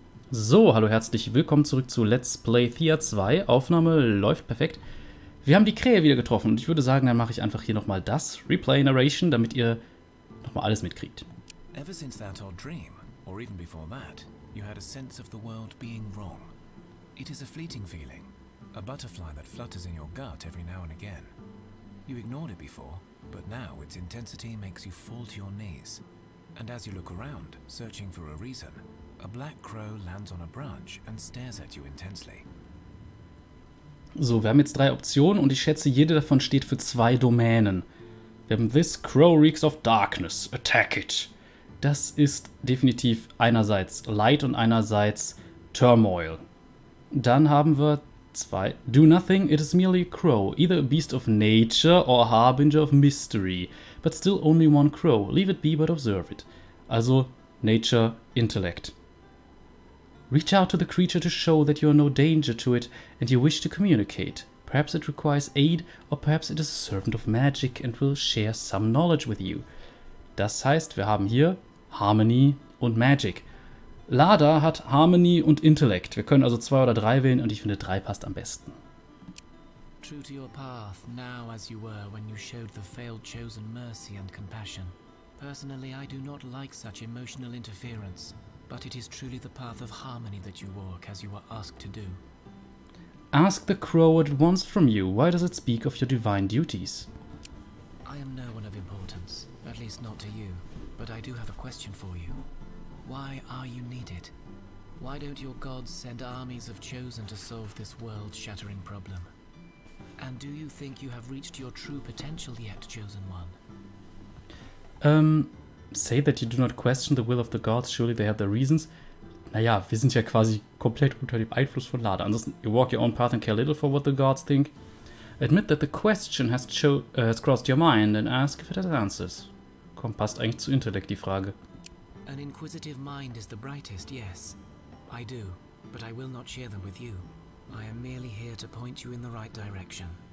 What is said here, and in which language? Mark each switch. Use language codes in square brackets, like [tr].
[de] So, hallo, herzlich willkommen zurück zu Let's Play Thea 2. Aufnahme läuft perfekt. Wir haben die Krähe wieder getroffen und ich würde sagen, dann mache ich einfach hier nochmal das Replay Narration, damit ihr nochmal alles mitkriegt. [en] Ever since that odd dream, or even before that, you had a sense of the world being wrong. It is a fleeting feeling, a butterfly that flutters in your gut every now and again. You ignored it before, but now its intensity makes you fall to your knees. And as you look around, searching for a reason, a black crow lands on a branch and stares at you intensely. [de] So, wir haben jetzt drei Optionen und ich schätze, jede davon steht für zwei Domänen. Wir haben This Crow Reeks of Darkness. Attack it. Das ist definitiv einerseits Light und einerseits Turmoil. [en] Dann haben wir zwei. Do nothing, it is merely a crow. Either a beast of nature or a harbinger of mystery. But still only one crow. Leave it be, but observe it. Also, Nature, Intellect. Reach out to the creature to show that you are no danger to it and you wish to communicate. Perhaps it requires aid or perhaps it is a servant of magic and will share some knowledge with you. [de] Das heißt, wir haben hier Harmony und Magic. Lada hat Harmony und Intellect. Wir können also zwei oder drei wählen und ich finde drei passt am besten. [en] True to your path, now as you were when you showed the failed chosen mercy and compassion. Personally, I do not like such emotional interference, but it is truly the path of harmony that you walk, as you were asked to do. Ask the crow what it wants from you. Why does it speak of your divine duties? I am no one of importance, at least not to you, but I do have a question for you. Why are you needed? Why don't your gods send armies of chosen to solve this world-shattering problem? And do you think you have reached your true potential yet, chosen one? Say that you do not question the will of the gods, surely they have their reasons. [de] Naja, wir sind ja quasi komplett unter dem Einfluss von Lada. [en] Ansonsten, you walk your own path and care little for what the gods think. Admit that the question has crossed your mind and ask if it has answers. [de] Komm, passt eigentlich zu Intellect, die Frage. [en] An inquisitive mind is the brightest, yes. I do, but I will not share them with you. I am merely here to point you in the right direction.